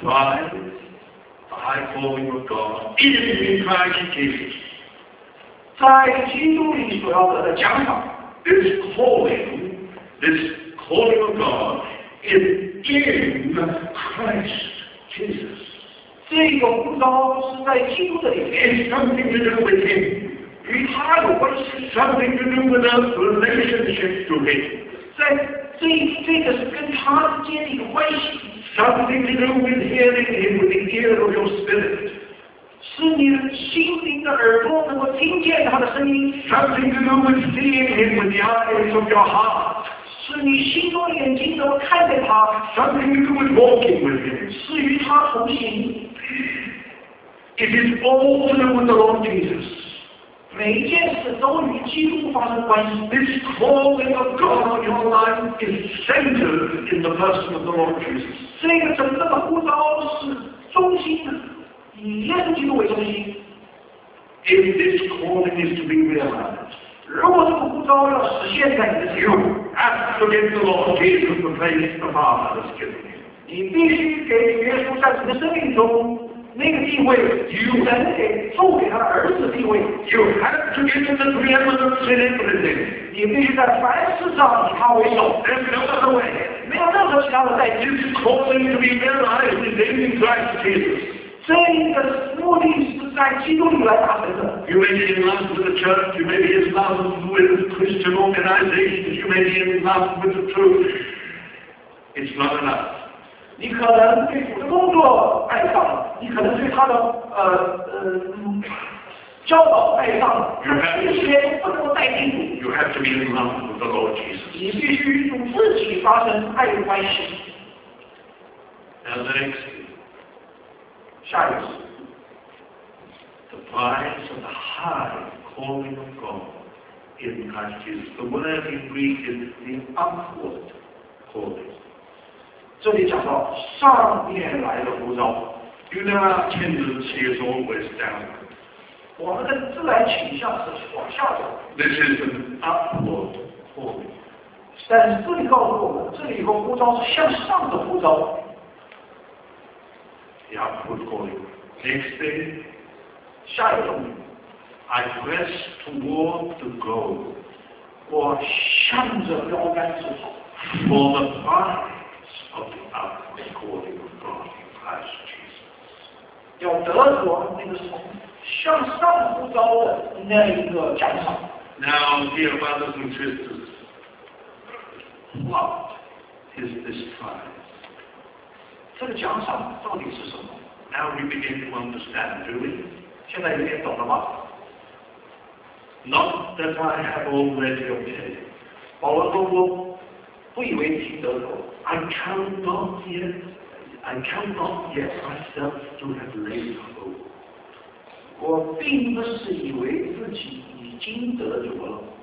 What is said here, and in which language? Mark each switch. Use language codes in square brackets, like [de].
[en] the prize, the high calling of God, is in Christ Jesus. [zh] 在基督里所要得的奖赏, [en] this calling of God, is in Christ. Jesus. [zh] 这个呼召是在基督的里面。 [en] It's something to do with Him. [zh] 与他有关系。 [en] Something to do with our relationship to Him. [zh] 这个是跟他之间的一个关系。 [en] Something to do with hearing Him with the ear of your spirit. [zh] 是你的心。清醒的耳朵能够听见他的声音。 [en] Something to do with seeing him with the eyes of your heart. [zh] 是你心中眼睛都看着他。 [en] Something to do with walking with him. [zh] 是与他同行。 [en] It is all to do with the Lord Jesus. [zh] 每一件事都与基督发生关系。 [en] This calling of God on your life is centered in the person of the Lord Jesus. [zh] 这个整个的呼召是中心的，以耶稣基督为中心。 [en] If this calling is to be realized. [zh] 如果这个呼召要实现在你的心 [en] 中 ，ask to give the Lord Jesus the place the Father has given you。 [zh] 你必须给耶稣在你的生命中那个地位 [en] ，you [zh] 能给赋给他的儿子地位。 [en] You have to give him the preeminence in everything。 [zh] 你必须在凡事上以他为首 [en] ，there's no other way。 [zh] 没有任何其他的代价。 [en] This calling to be realized is in Christ Jesus。 [zh] 这个目的是在基督里来达成的。 [en] You may be in love with the church, you may be in love with Christian organizations, you may be in love with the truth. It's not enough. [zh] 你可能对主的工作爱上了，你可能对他的教导爱上了，但这些不能够代替主。 [en] You have to be in love with the Lord Jesus. [zh] 你必须与自己发生爱的关系。 [en] Now the next. [zh] 下一次 [en] the prize of the high calling of God in Christ Jesus. The word in Greek is the upward calling. [zh] 这里讲到上面来的呼召。 [en] You know our tendency is always downward. [zh] 我们的自然倾向是往下走。 [en] This is an upward calling. [zh] 但是这里告诉我们，这里有个呼召是向上的呼召。 [en] The upward calling. Next thing, [zh] 下一种 [en] I press toward the goal. [zh] 我向着标杆直跑 [en] For the prize of the upward calling of God in Christ Jesus. [zh] 要得着那个从向上呼召的那一个奖赏 [en] Now, dear brothers and sisters, what is this prize? [zh] 这个奖赏到底是什么 [en] ？Now we begin to understand, do we? [zh] 现在有点懂了吗 [en] ？Not that I have already obtained. [zh] 保罗说我不以为已经得着。 I count not yet myself to have laid hold. 我并不是以为自己已经得着了。